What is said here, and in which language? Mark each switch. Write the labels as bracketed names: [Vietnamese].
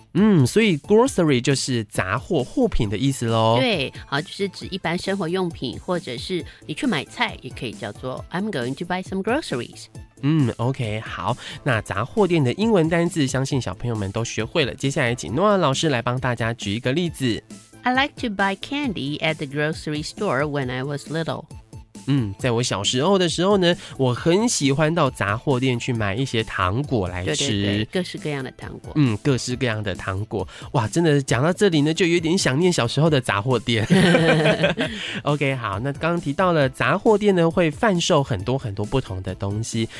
[Chinese] 嗯，所以 grocery 就是杂货货品的意思咯。对，好，就是指一般生活用品，或者是你去买菜也可以叫做 [English] I'm going to buy some groceries。 [Chinese] 嗯 ，OK， 好，那杂货店的英文单字相信小朋友们都学会了。接下来请诺亚老师来帮大家举一个例子。 [English] I like to buy candy at the grocery store when I was little. [Chinese] 嗯，在我小时候的时候呢，我很喜欢到杂货店去买一些糖果来吃。对对对，各式各样的糖果。嗯，各式各样的糖果。哇，真的讲到这里呢，就有点想念小时候的杂货店。 OK， 好，那刚刚提到了杂货店呢，会贩售很多很多不同的东西。